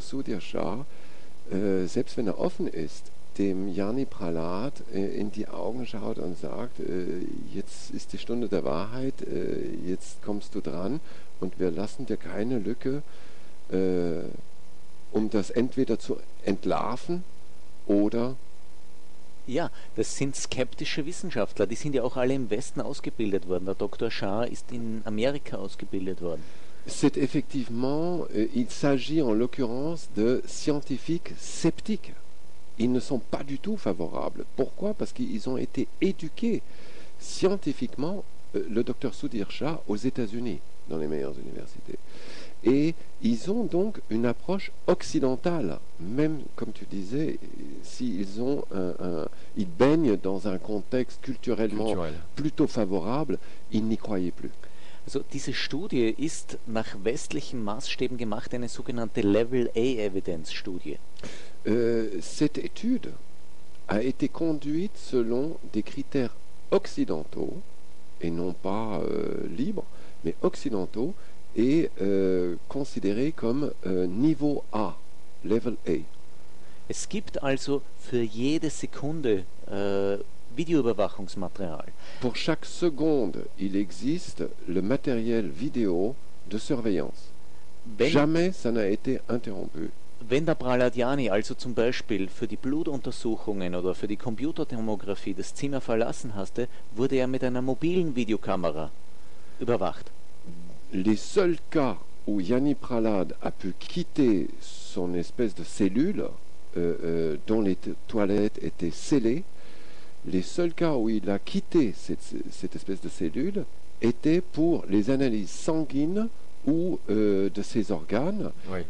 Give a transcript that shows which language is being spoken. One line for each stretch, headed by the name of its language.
German: Sudhir Shah, selbst wenn er offen ist, dem Jani Prahlad in die Augen schaut und sagt, jetzt ist die Stunde der Wahrheit, jetzt kommst du dran und wir lassen dir keine Lücke, um das entweder zu entlarven oder... Ja, das sind skeptische Wissenschaftler, die sind ja auch alle im Westen ausgebildet worden. Der Dr. Shah ist in Amerika ausgebildet worden.
French: C'est effectivement, il s'agit en l'occurrence de scientifiques sceptiques. Ils ne sont pas du tout favorables. Pourquoi ? Parce qu'ils ont été éduqués scientifiquement, le docteur Sudhir Shah, aux États-Unis, dans les meilleures universités. Et ils ont donc une approche occidentale, même, comme tu disais, s'ils ont ils baignent dans un contexte culturellement plutôt favorable, ils n'y croyaient plus.
German: Also diese Studie ist nach westlichen Maßstäben gemacht, eine sogenannte Level A Evidence Studie.
French: Cette étude a été conduite selon des critères occidentaux et non pas libres, mais occidentaux et considérée comme niveau A, Level A.
German: Es gibt also für jede Sekunde Videoüberwachungsmaterial.
French: Pour chaque seconde, il existe le matériel vidéo de surveillance. Jamais ça n'a été interrompu.
German: Wenn der Prahlad Jani also zum Beispiel für die Blutuntersuchungen oder für die Computertomographie das Zimmer verlassen hatte, wurde er mit einer mobilen Videokamera überwacht.
French: Les seuls cas où Jani Prahlad a pu quitter son espèce de cellule dont les toilettes étaient scellées, les seuls cas où il a quitté cette espèce de cellule étaient pour les analyses sanguines ou de ses organes. Oui.